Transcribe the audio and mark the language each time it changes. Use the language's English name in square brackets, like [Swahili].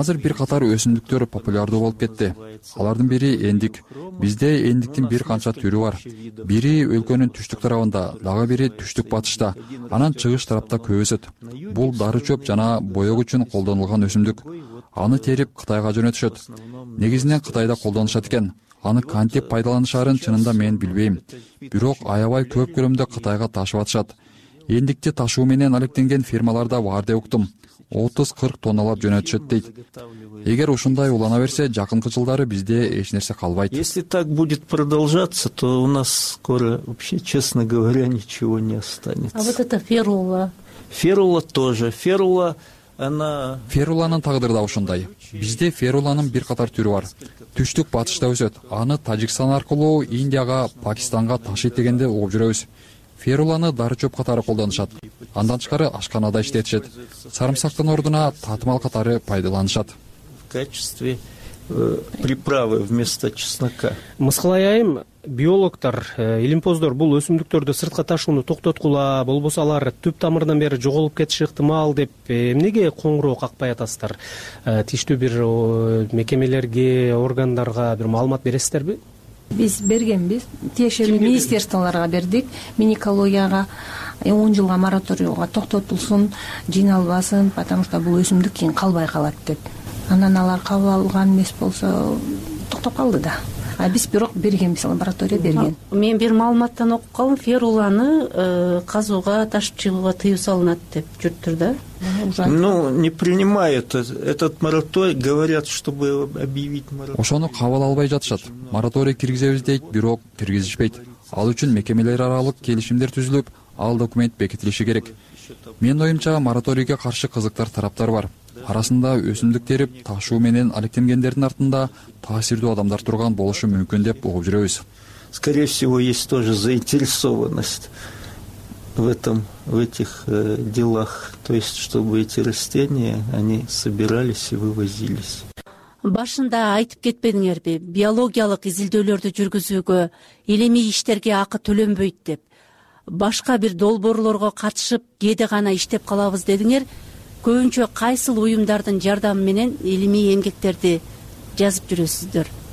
[Kyrgyz] Азыр бир катар өсүмдүктөр популярдуу болуп кетти. Алардын бири эндик. Бизде эндиктин бир канча түрү бар. Бири өлкөнүн түштүк тарабында, дагы бири түштүк батышта, анан чыгыш тарапта көбөйөт. Бул дары чөп жана боёк үчүн колдонулган өсүмдүк. Аны терип Кытайга жөнөтүшөт. Негизинен Кытайда колдонушат экен. Аны кантип пайдаланышарын чынында мен билбейм. Бирок аябай көп көлөмдө Кытайга ташып атышат. Эндикти ташуу менен алектенген фирмалар да бар деп уктум. 30-40 тонналап жөнөтүшөт дейт. Эгер ушундай улана берсе, жакынкы жылдары бизде эч нерсе калбайт. [Russian] Если так будет продолжаться, то у нас скоро вообще, честно говоря, ничего не останется. А вот это ферула. Ферула тоже. Ферула, она. [Kyrgyz] Феруланын тагдыры да ушундай. Бизде феруланын бир катар түрү бар. Түштүк батышта өсөт. Аны Тажикстан аркылуу Индияга, Пакистанга ташыйт дегенде угуп жүрөбүз. Феруланы дары чөп катары колдонушат. Андан тышкары ашканада иштетишет. Сарымсактын ордуна татымал катары пайдаланышат. [Russian] В качестве приправы вместо чеснока. [Kyrgyz] Мысқылайым, биологтар, илимпоздор бул өсүмдүктөрдү сыртка ташууну токтоткула, болбосо алар түп тамырынан бери жоголуп кетиши ыктымал деп эмнеге коңгуроо какпай атасыздар? Тийиштүү бир мекемелерге, органдарга бир маалымат бересиздерби? Биз бергенбиз, тиешелүү министерстволорго бердик, миникологияга 10 жылга мораторийга токтотулсун, жыйналбасын, [Russian] потому что [Kyrgyz] бул өсүмдүк кийин калбай калат деп. Анан алар кабыл алган эмес болсо, токтоп калды да. А биз бирок бергенбиз, лаборатория берген. Мен бир маалыматтан окуп калдым, феруланы казууга, ташып чыгууга тыюу салынат деп жүрттүр да. [Russian] Ну, не принимают этот мораторий, говорят, чтобы объявить мораторий. [Kyrgyz] Ошону кабыл албай жатышат. Мораторий киргизебиз дейт, бирок киргизишпейт. Ал үчүн мекемелер аралык келишимдер түзүлүп, ал документ бекитилиши керек. Менин оюмча, мораторийге каршы кызыктар тараптар бар. Арасында өсүмдүктөрү ташуу менен алектенгендердин артында таасирдүү адамдар турган болушу мүмкүн деп угуп жүрөбүз. Скорее всего, есть тоже заинтересованность в этом, в этих делах, то есть чтобы эти растения они собирались и вывозились. Башында айтып кетпедиңерби, биологиялык изилдөөлөрдү жүргүзүүгө илимий иштерге акы төлөнбөйт деп. Башка бир долбоорлорго катышып, кеде гана иштеп калабыз дедиңер. Көбүнчө кайсыл уюмдардын жардамы менен илимий эмгектерди жазып жүрөсүздөр?